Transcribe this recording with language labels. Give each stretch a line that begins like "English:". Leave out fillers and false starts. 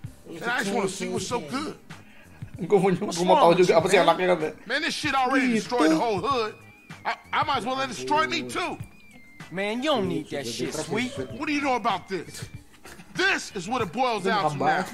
English: And I just want to see what's so good.
Indonesian: Gue mau tahu juga apa sih anaknya kan.
English: Man, this shit already destroyed the whole hood. I might as well let it destroy me too. Man, you don't need that shit, sweet. What do you know about this? This is what it boils down to now.